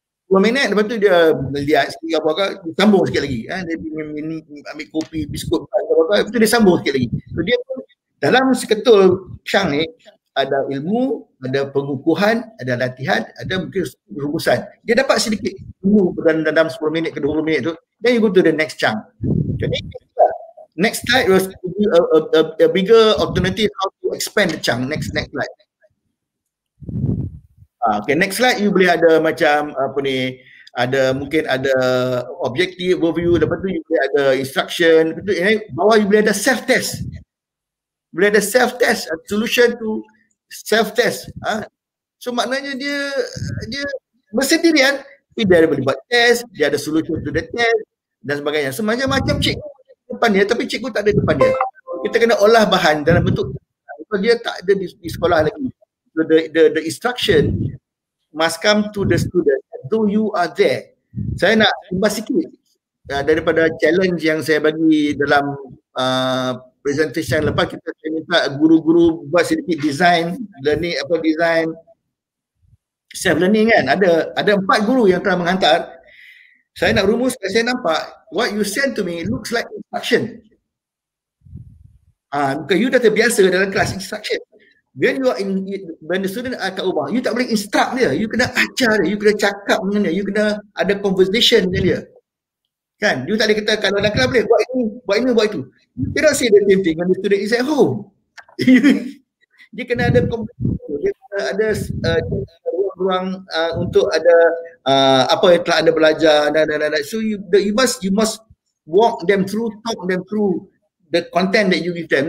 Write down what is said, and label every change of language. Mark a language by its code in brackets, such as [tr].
[ms] 10 minit lepas tu dia lihat sikit apa-apa, dia sambung sikit lagi. Dia ambil kopi, biskut, apa-apa, lepas tu dia sambung sikit lagi. So dia dalam seketul chunk ni, ada ilmu, ada pengukuhan, ada latihan, ada mungkin rumusan. Dia dapat sedikit ilmu dalam 10 minit ke 20 minit tu, [en] then you go to the next chunk. Jadi next slide was a bigger alternative how to expand the chunk. Next slide. [ms] Okay, next slide you boleh ada macam apa ni, ada mungkin ada objective overview, lepas tu you boleh ada instruction, lepas tu yang bawah you boleh ada self-test. Boleh ada [en] self-test, a solution to self-test. [ms] So maknanya dia bersendirian, tapi dia ada boleh buat test, dia ada [en] solution to the test [ms] dan sebagainya. So macam-macam cikgu depan dia, tapi cikgu tak ada depan dia. Kita kena olah bahan dalam bentuk, so dia tak ada di sekolah lagi. [en] So the instruction must come to the student, though you are there. [ms] Saya nak tambah sikit daripada challenge yang saya bagi dalam presentation yang lepas. Kita minta guru-guru buat sedikit design learning, apa design self learning kan. Ada empat guru yang telah menghantar. Saya nak rumus, saya nampak [en] what you send to me looks like instruction. [ms] Bukan, you dah terbiasa dalam kelas instruction. [en] When you are in, when the student are [ms] kat rumah, you tak boleh instruct dia, you kena ajar dia, you kena cakap dengan dia, you kena ada conversation dengan dia. Kan, you tak boleh kata kalau dalam kelas boleh buat ini, buat ini, buat itu. [en] You don't say the same thing when the student is at home. [ms] Dia kena ada conversation, dia kena ada ruang-ruang untuk ada apa yang telah anda belajar dan. [en] So you must walk them through, talk them through the content that you give them.